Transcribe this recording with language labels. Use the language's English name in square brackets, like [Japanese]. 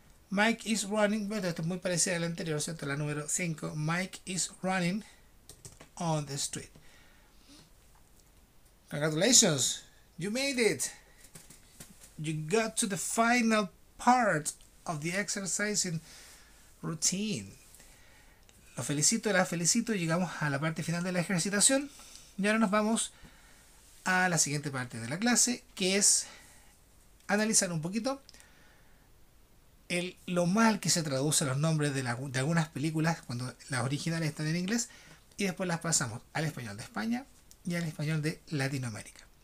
[English] Mike is running, [Spanish] bueno, esto es muy parecido al anterior, ¿cierto? La número 5. [English] Mike is running on the street. Congratulations, you made it. You got to the final part of the exercising routine. [Spanish] Lo felicito, la felicito, llegamos a la parte final de la ejercitación y ahora nos vamos a la siguiente parte de la clase, que es analizar un poquito lo mal que se traducen los nombres de algunas películas cuando las originales están en inglés y después las pasamos al español de España y al español de Latinoamérica.